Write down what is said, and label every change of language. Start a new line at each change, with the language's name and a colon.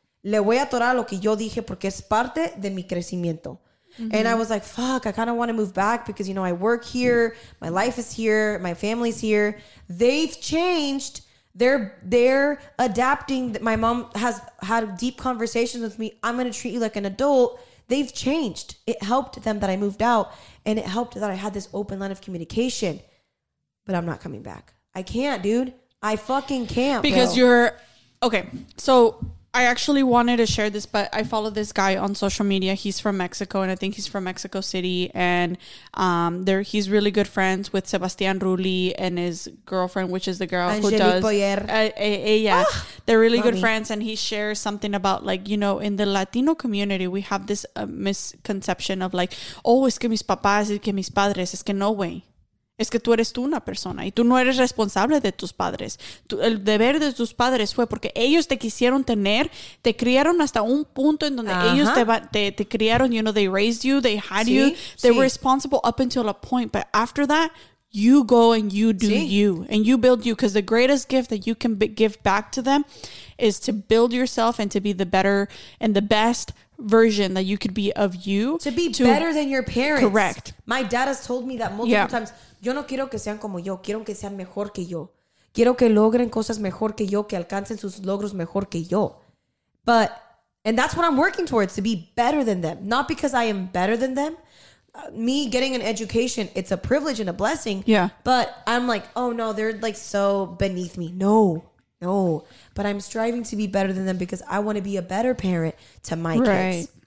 Spanish: Le voy a atorar lo que yo dije porque es parte de mi crecimiento. Mm-hmm.
English: And I was like, fuck, I kind of want to move back because, you know, I work here. My life is here. My family's here. They've changed. They're adapting. My mom has had deep conversations with me. I'm going to treat you like an adult. They've changed. It helped them that I moved out. And it helped that I had this open line of communication. But I'm not coming back. I can't, dude. I fucking can't. Because you're... Okay, so I actually wanted to share this, but I follow this guy on social media. He's from Mexico, and I think he's from Mexico City. And he's really good friends with Sebastian Rulli and his girlfriend, which is the girl Angelique who does... Poyer. They're really good friends, and he shares something about, like, you know, in the Latino community, we have this misconception of, like, oh,
Spanish: es que mis papás, es que
English: mis padres, es que no way.
Spanish: Es que tú eres tú una persona y tú no eres responsable de tus padres. Tú, el deber de tus padres fue porque ellos te quisieron tener, te criaron hasta un punto en donde ellos te criaron,
English: you know, they raised you, they had you. They were responsible up until a point, but after that, you go and you do you and you build you, because the greatest gift that you can give back to them is to build yourself and to be the better and the best version that you could be of you. To be better than your parents. Correct. My dad has told me that multiple times.
Spanish: Yo no quiero que sean como yo. Quiero que sean mejor que yo. Quiero que logren cosas mejor que yo, que alcancen sus logros mejor que yo.
English: But, and that's what I'm working towards, to be better than them. Not because I am better than them. Me getting an education, it's a privilege and a blessing. Yeah. But I'm like, oh no, they're like so beneath me. No. No, but I'm striving to be better than them because I want to be a better parent to my kids.